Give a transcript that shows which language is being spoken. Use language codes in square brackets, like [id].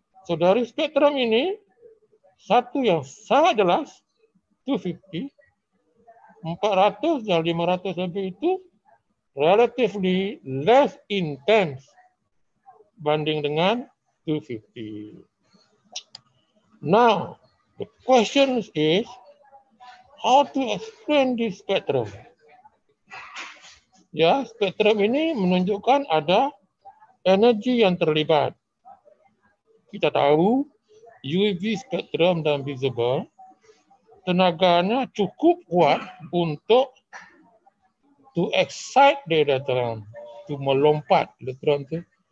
[ms] So dari spektrum ini, satu yang sangat jelas 250, 400 dan 500 lebih itu [en] relatively less intense [ms] banding dengan 250. [en] Now, the question is how to explain this spectrum? [ms] Ya, spektrum ini menunjukkan ada energi yang terlibat. Kita tahu UV spectrum dan visible tenaganya cukup kuat untuk [en] to excite the electron, [ms] to melompat electron itu.